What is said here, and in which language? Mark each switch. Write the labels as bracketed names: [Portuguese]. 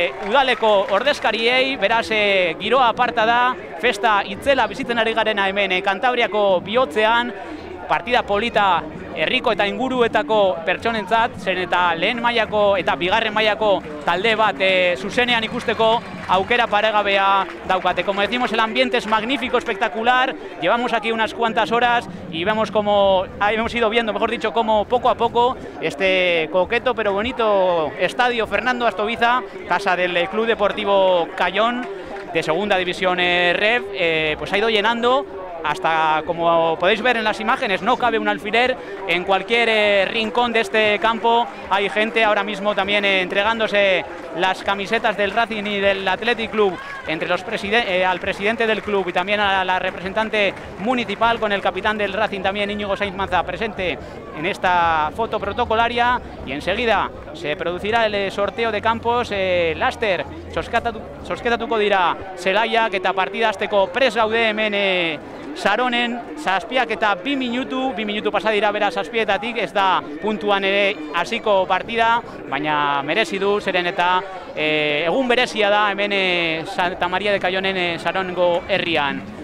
[Basque] udaleko ordezkariei, beraz giroa aparta da, festa itzela bizitzen ari garena hemen Kantabriako bihotzean, partida polita herriko eta inguruetako pertsonentzat, zen eta lehen mailako eta bigarren mailako talde bat zuzenean ikusteko aukera paregabea daukate. [Spanish] Como decimos, el ambiente es magnífico, espectacular. Llevamos aquí unas cuantas horas y vemos como hemos ido viendo, mejor dicho, como poco a poco este coqueto pero bonito estadio Fernando Astoviza, casa del Club Deportivo Cayón de Segunda División REF, pues ha ido llenando. Hasta, como podéis ver en las imágenes, no cabe un alfiler en cualquier rincón de este campo. Hay gente ahora mismo también entregándose las camisetas del Racing y del Athletic Club, entre los al presidente del club y también a la representante municipal, con el capitán del Racing también, Íñigo Sainz Manza, presente en esta foto protocolaria. Y enseguida se producirá el sorteo de campos. [Basque] Laster, sosketatuko dira zelaiak eta partida hasteko prest gaude hemen Saronen, zazpiak eta bi minutu pasadira bera zazpietatik, ez da puntuan ere hasiko partida, baina merezi du, zeren eta egun berezia da hemen Santa Maria de Cayonen Sarongo herrian.